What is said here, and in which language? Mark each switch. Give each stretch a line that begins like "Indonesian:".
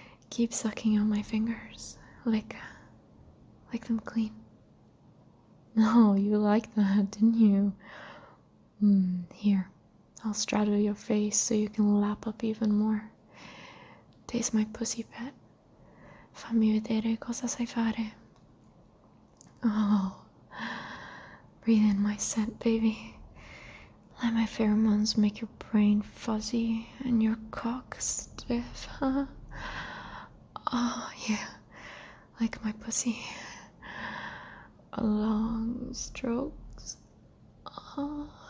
English: Keep sucking on my fingers. Lick them clean. Oh, you like that, didn't you? Here, I'll straddle your face so you can lap up even more. Taste my pussy, pet.
Italian: Fammi vedere cosa sai fare.
English: Oh, breathe in my scent, baby. Let my pheromones make your brain fuzzy and your cock stiff, huh? Oh, yeah. Like my pussy. Long strokes. Oh.